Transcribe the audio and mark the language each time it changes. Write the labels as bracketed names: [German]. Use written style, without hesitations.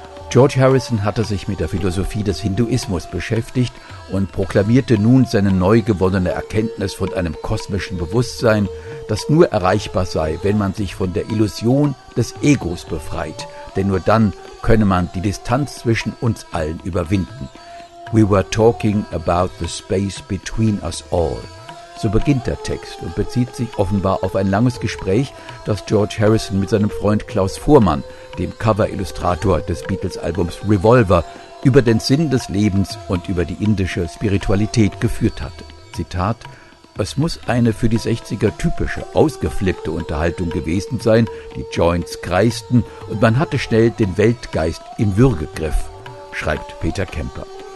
[German] George Harrison hatte sich mit der Philosophie des Hinduismus beschäftigt und proklamierte nun seine neu gewonnene Erkenntnis von einem kosmischen Bewusstsein, das nur erreichbar sei, wenn man sich von der Illusion des Egos befreit, denn nur dann könne man die Distanz zwischen uns allen überwinden. [English] We were talking about the space between us all. [German] So beginnt der Text und bezieht sich offenbar auf ein langes Gespräch, das George Harrison mit seinem Freund Klaus Fuhrmann, dem Cover-Illustrator des Beatles-Albums Revolver, über den Sinn des Lebens und über die indische Spiritualität geführt hat. Zitat: Es muss eine für die 60er typische, ausgeflippte Unterhaltung gewesen sein, die Joints kreisten und man hatte schnell den Weltgeist im Würgegriff, schreibt Peter Kemper.